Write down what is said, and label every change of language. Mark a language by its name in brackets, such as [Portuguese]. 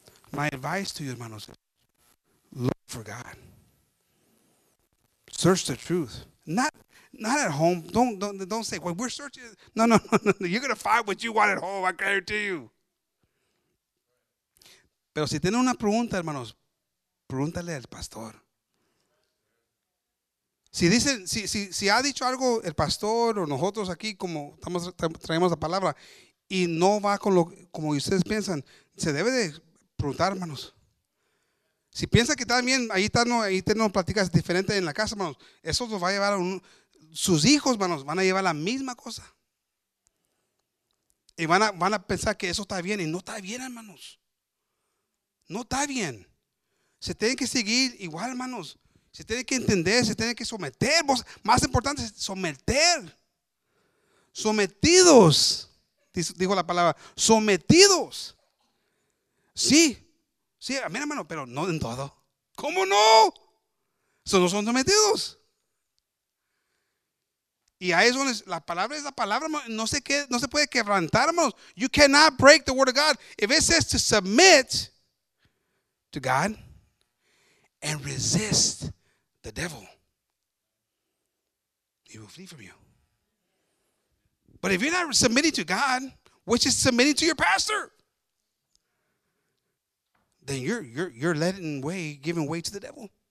[English] My advice to you, hermanos, look for God. Search the truth. Not at home. Don't say, well, we're searching. No. You're going to find what you want at home. I guarantee you. [Spanish] Pero si tiene una pregunta, hermanos, pregúntale al pastor. Si ha dicho algo el pastor o nosotros aquí, como estamos, traemos la palabra, y no va con lo como ustedes piensan, se debe de preguntar, hermanos. Si piensa que también ahí está, no platicas diferente en la casa, hermanos, eso los va a llevar a sus hijos, hermanos, van a llevar la misma cosa. Y van a pensar que eso está bien, y no está bien, hermanos. No está bien. Se tienen que seguir igual, hermanos. Se tienen que entender, se tienen que someter. Más importante, someter. Sometidos, dijo la palabra. Sometidos. Sí. Sí, amén, hermano, pero no en todo. ¿Cómo no? Eso no son sometidos. Y ahí es donde la palabra es la palabra. No se puede quebrantar, hermanos. [English] You cannot break the word of God. If it says to submit to God and resist the devil, he will flee from you. But if you're not submitting to God, which is submitting to your pastor, then you're giving way to the devil.